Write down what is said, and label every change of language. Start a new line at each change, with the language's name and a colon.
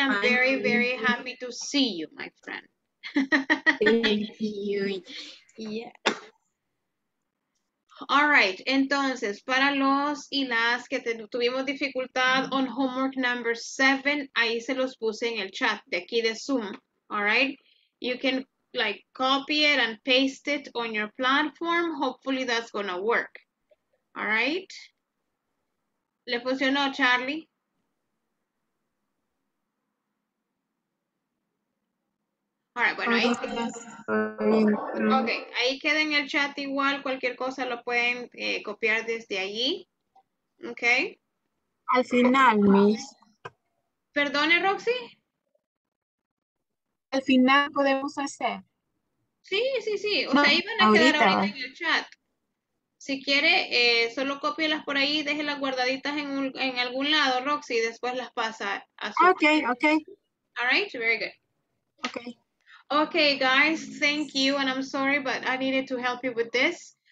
English: I'm very, very happy to see you, my friend. Thank you. Yeah. All right.
Spanish: Entonces, para los y las que tuvimos dificultad
English: on homework number 7,
Spanish: ahí se los puse en el chat de aquí de Zoom.
English: All right. You can like copy it and paste it on your platform. Hopefully that's going to work. All right.
Spanish: ¿Le funcionó, Charlie?
English: All right,
Spanish: bueno, ahí queda en el chat igual. Cualquier cosa lo pueden copiar desde allí. Ok. Al final, Miss. ¿Perdone, Roxy? Al final podemos hacer. Sí, sí, sí. O sea, ahí van a quedar ahorita en el chat. Si quiere, solo cópielas por ahí, déjelas guardaditas en algún lado, Roxy, y después las pasa a su...
English: Okay, okay. All right, very good. Okay. Okay, guys, thank you, and I'm sorry, but I needed to help you with this.